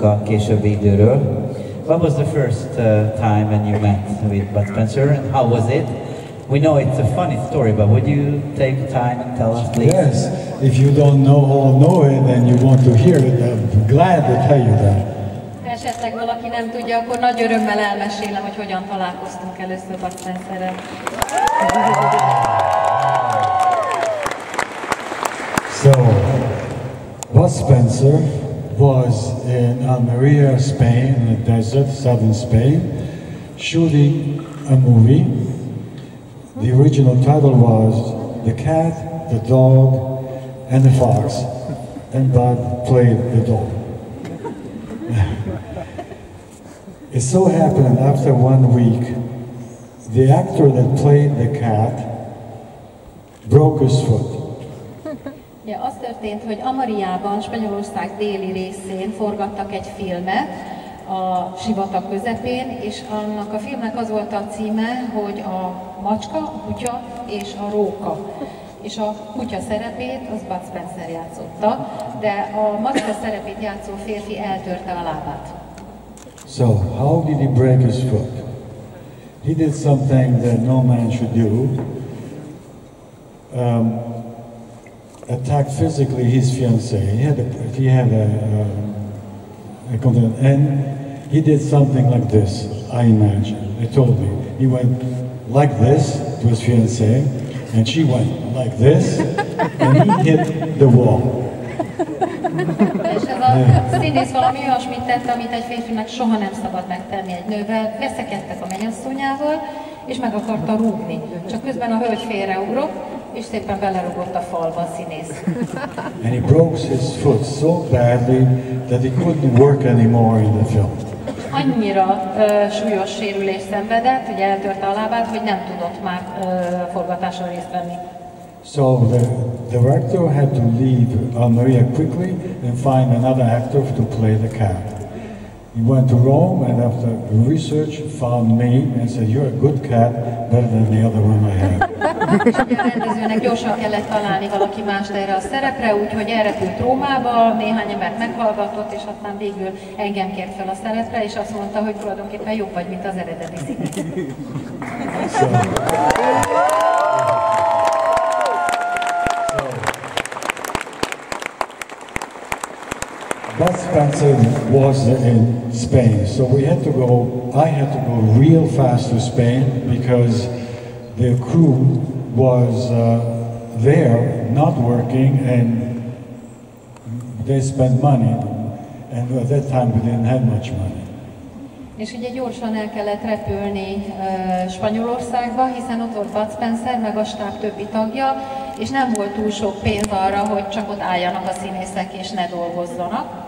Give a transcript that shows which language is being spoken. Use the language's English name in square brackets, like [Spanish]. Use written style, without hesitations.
[English] What was the first time when you met with Bud Spencer, and how was it? We know it's a funny story, but would you take time and tell us, please? Yes, if you don't know all know it and you want to hear it, I'm glad to tell you that. [Hungarian] Esetleg valaki nem tudja, akkor nagy örömmel elmesélem, hogy hogyan találkoztunk először Bud Spencerrel. [English] So, Bud Spencer was in Almeria, Spain, in the desert, southern Spain, shooting a movie. The original title was The Cat, The Dog, and The Fox. And Bud played the dog. It so happened after 1 week, the actor that played the cat broke his foot. [Hungarian] Ja, az történt, hogy Amariában, Spanyolország déli részén forgattak egy filmet a sivatag közepén, és annak a filmnek az volt a címe, hogy a macska, a kutya és a róka. És a kutya szerepét az Bud Spencer játszotta, de a macska szerepét játszó férfi eltörte a lábát. [English] So, how did he break his foot? He did something that no man should do. Attacked physically his fiancée. He had a condom, and he did something like this. I imagine. They told me he went like this to his fiancée, and she went like this, and he hit the wall. [Hungarian] És ez a színész valami olyasmit tett, amit egy férfinak soha nem szabad megtenni egy nővel. Veszekedtek a mennyasszonyával, és meg akarta rúgni. Csak közben a hölgy félreugrott, és szépen belerugott a falba a színész. [English] And he broke his foot so badly that he couldn't work anymore in the film. [Hungarian] Annyira súlyos sérülést szenvedett, hogy eltörte a lábát, hogy nem tudott már forgatáson részt venni. [English] So the director had to leave Almeria quickly and find another actor to play the cat. He went to Rome and after research found me and said, you're a good cat, better than the other one I had. [Hungarian] Rendezőnek gyorsan kellett találni valaki mást erre a szerepre, úgyhogy elrepült Rómába, néhány embert meghallgatott, és aztán végül engem kért fel a szerepre, és azt mondta, hogy tulajdonképpen jobb vagy, mint az eredeti. [English] Bud Spencer was in Spain, so we had to go, I had to go real fast to Spain because the crew was there, not working, and they spent money, And was that time within how much money? [Hungarian] És ugye gyorsan el kellett repülni Spanyolországba, hiszen ott volt Bud Spencer, meg a stáb többi tagja, és nem volt túl sok pénz arra, hogy csak ott álljanak a színészek és ne dolgozzanak.